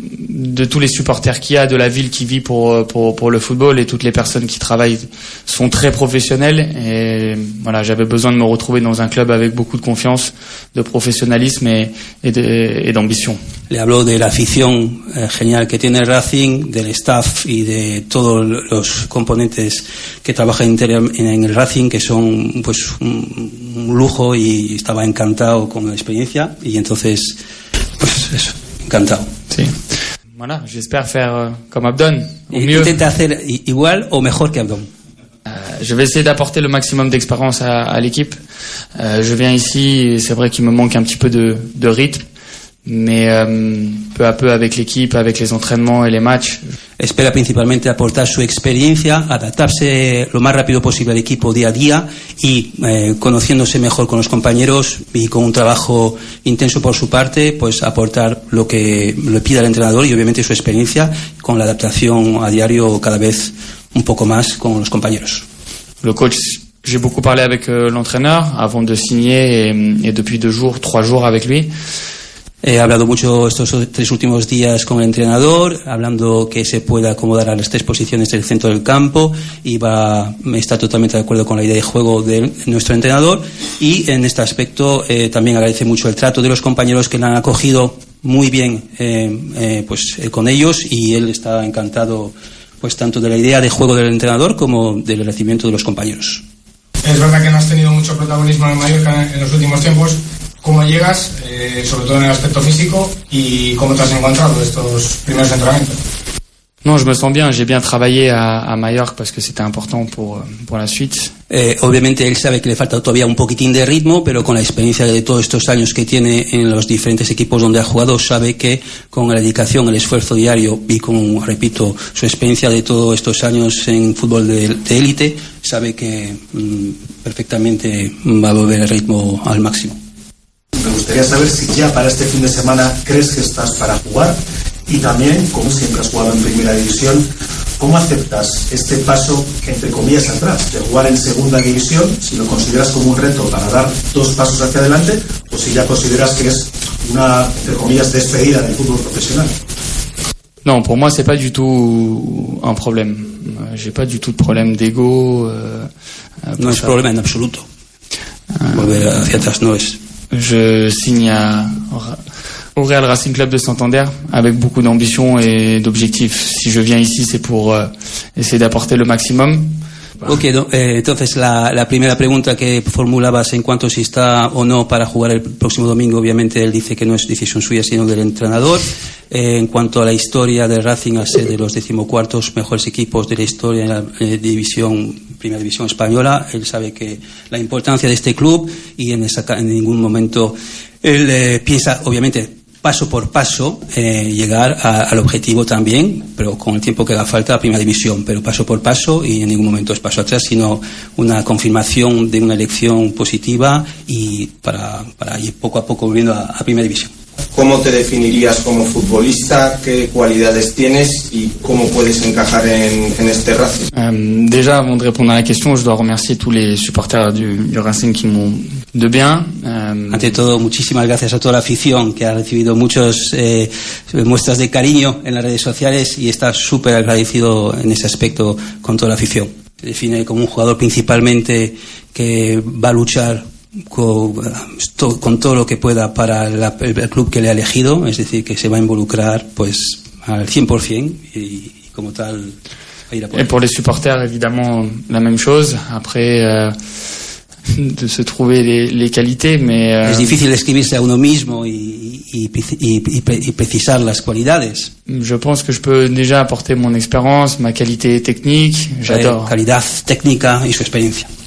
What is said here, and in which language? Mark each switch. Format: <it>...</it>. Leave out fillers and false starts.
<fr>de tous les supporters qu'il y a, de la ville qui vit pour le football et toutes les personnes qui travaillent sont très professionnelles. Et voilà, j'avais besoin de me retrouver dans un club avec beaucoup de confiance, de professionnalisme et d'ambition.</fr> <es>Le habló de la afición genial que tiene Racing, del staff y de todos los componentes que trabajan en el Racing, que son pues un lujo y estaba encantado con la experiencia y entonces pues eso, encantado. Sí.</es> <fr>Voilà, j'espère faire comme Abdon, au mieux.</fr> <es>Intenta hacer igual o mejor que Abdon.</es> <fr>Je vais essayer d'apporter le maximum d'expérience à l'équipe. Je viens ici, c'est vrai qu'il me manque un petit peu de rythme, mais peu à peu avec l'équipe, avec les entraînements et les matchs.</fr> <es>Espera principalmente aportar su experiencia, adaptarse lo más rápido posible al equipo día a día y conociéndose mejor con los compañeros y con un trabajo intenso por su parte, pues aportar lo que le pida el entrenador y obviamente su experiencia con la adaptación a diario cada vez un poco más con los compañeros.</es> <fr>Le coach, j'ai beaucoup parlé avec l'entraîneur avant de signer et depuis deux jours, trois jours avec lui.</fr> <es>He hablado mucho estos tres últimos días con el entrenador, hablando que se pueda acomodar a las tres posiciones del centro del campo, y va, está totalmente de acuerdo con la idea de juego de nuestro entrenador. Y en este aspecto también agradece mucho el trato de los compañeros, que le han acogido muy bien con ellos, y él está encantado pues tanto de la idea de juego del entrenador como del recibimiento de los compañeros. Es verdad que no has tenido mucho protagonismo en el Mallorca en los últimos tiempos. ¿Cómo llegas, sobre todo en el aspecto físico, y cómo te has encontrado estos primeros entrenamientos?</es> <fr>No, je me sens bien. J'ai bien travaillé à Mallorca parce que c'était important pour la suite.</fr> <es>Obviamente él sabe que le falta todavía un poquitín de ritmo, pero con la experiencia de todos estos años que tiene en los diferentes equipos donde ha jugado, sabe que con la dedicación, el esfuerzo diario y con, repito, su experiencia de todos estos años en fútbol de élite, sabe que perfectamente va a volver el ritmo al máximo. Me gustaría saber si ya para este fin de semana crees que estás para jugar. Y también, como siempre has jugado en primera división, ¿cómo aceptas este paso, entre comillas, atrás, de jugar en segunda división, si lo consideras como un reto para dar dos pasos hacia adelante, o si ya consideras que es una, entre comillas, despedida del fútbol profesional? No, para mí no es un problema. No tengo un problema de ego. No es problema en absoluto. Volver hacia atrás no es.</es> <fr>Je signe à... au Real Racing Club de Santander avec beaucoup d'ambition et d'objectifs. Si je viens ici, c'est pour essayer d'apporter le maximum.</fr> <es>Ok, entonces la primera pregunta que formulabas en cuanto si está o no para jugar el próximo domingo, obviamente él dice que no es decisión suya sino del entrenador. En cuanto a la historia del Racing, a ser de los 14 mejores equipos de la historia en la primera división española, él sabe que la importancia de este club, y en ningún momento él piensa, obviamente, paso por paso, llegar al objetivo también, pero con el tiempo que haga falta, a primera división, pero paso por paso, y en ningún momento es paso atrás, sino una confirmación de una elección positiva, y para ir poco a poco volviendo a primera división. ¿Cómo te definirías como futbolista? ¿Qué cualidades tienes y cómo puedes encajar en este Racing?</es> <fr>Déjà, avant de répondre à la question, je dois remercier tous les supporters du Racing qui m'ont de bien.</fr> <es>Ante todo, muchísimas gracias a toda la afición, que ha recibido muchas muestras de cariño en las redes sociales, y está súper agradecido en ese aspecto con toda la afición. Se define como un jugador principalmente que va a luchar con todo lo que pueda para el club que le ha elegido, es decir, que se va a involucrar pues al 100% y como tal va a ir a por. Y para los supporters, evidentemente, la misma cosa.</es> <fr>Après, de se trouver les qualités, mais</fr> <es>es difícil escribirse a uno mismo y precisar las cualidades.</es> <fr>Je pense que je peux déjà apporter mon expérience, ma qualité technique. J'adore.</fr> <es>Calidad técnica y su experiencia.</es>